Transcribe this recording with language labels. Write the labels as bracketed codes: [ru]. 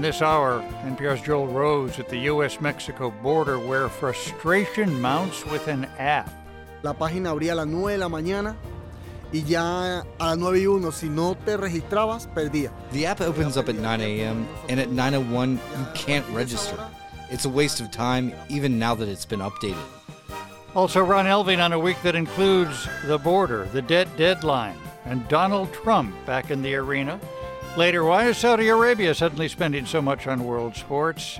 [en] This hour, NPR's Joel Rose at the U.S.-Mexico border, where frustration mounts with an app. [es] La página abría a las 9 de la mañana. Y ya a las 9 y 1, si no te registrabas, perdía. [en] The app opens up at 9 a.m., and at 9:01, you can't register. It's a waste of time, even now that it's been updated. Also, Ron Elving on a week that includes the border, the debt deadline, and Donald Trump back in the arena. Later, why is Saudi Arabia suddenly spending so much on world sports?